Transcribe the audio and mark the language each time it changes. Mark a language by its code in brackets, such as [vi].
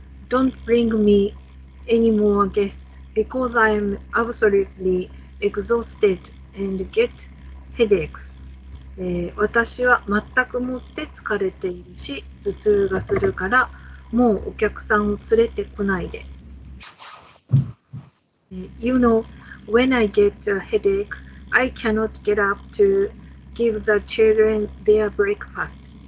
[en] Don't bring me any more guests because I am absolutely exhausted and get headaches. [ja] 私は全くもって疲れているし頭痛がするからもうお客さんを連れてこないで。 [en] You know, when I get a headache, I cannot get up to give the children their breakfast.